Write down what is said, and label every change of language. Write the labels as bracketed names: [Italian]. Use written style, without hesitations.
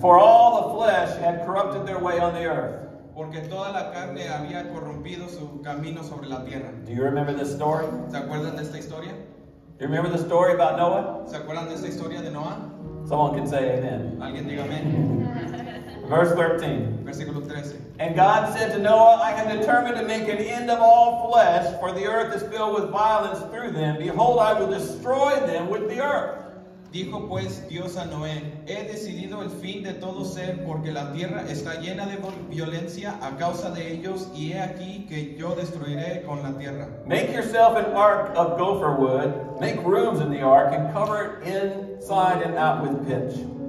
[English] For all the flesh had corrupted their way on the earth. [Spanish] Porque toda la carne había corrompido su camino sobre la tierra. [English] Do you remember this story? [Spanish] ¿Se acuerdan de esta historia? [English] Do you remember the story about Noah? [Spanish] ¿Se acuerdan de esta historia de Noah? [English] Someone can say amen. [Spanish] Alguien diga amen. [English] Verse 13. [Spanish] Versículo 13. [English] And God said to Noah, I am determined to make an end of all flesh, for the earth is filled with violence through them. Behold, I will destroy them with the earth. [Spanish] Dijo pues Dios a Noé, he decidido el fin de todo ser, porque la tierra está llena de violencia a causa de ellos, y he aquí que yo destruiré con la tierra. [English] Make yourself an ark of gopher wood, make rooms in the ark, and cover it inside and out with pitch.